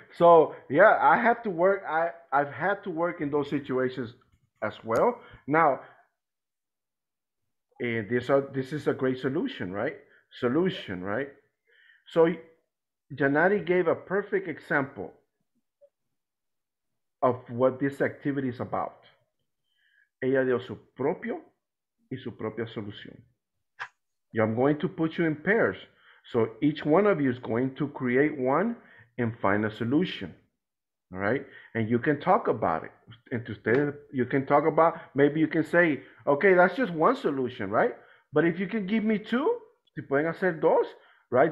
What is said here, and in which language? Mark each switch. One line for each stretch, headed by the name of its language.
English: So, yeah, I have to work. I've had to work in those situations as well. Now, this is a great solution, right? Solution, right? So, Janari gave a perfect example of what this activity is about.
Spanish: Ella dio su propio y su propia solución.
English: I'm going to put you in pairs. So each one of you is going to create one and find a solution, all right? And you can talk about it. And to stay, you can talk about, maybe you can say, okay, that's just one solution, right? But if you can give me two,
Spanish: si pueden hacer dos,
English: right?